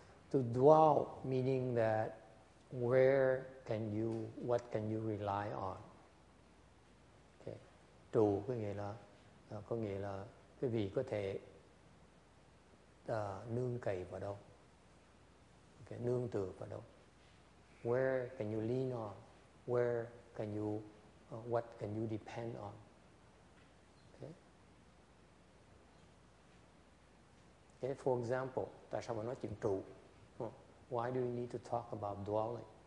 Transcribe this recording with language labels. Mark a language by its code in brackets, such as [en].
[en] To dwell, meaning that what can you rely on? Okay. [vi] Trụ có nghĩa là quý vị có thể nương cậy vào đâu, okay, nương tựa vào đâu. [en] Where can you lean on? Where can you, what can you depend on? Okay. [vi] Okay, [en] for example, [vi] tại sao mà nói chuyện trụ? [en] Why do you need to talk about dwelling?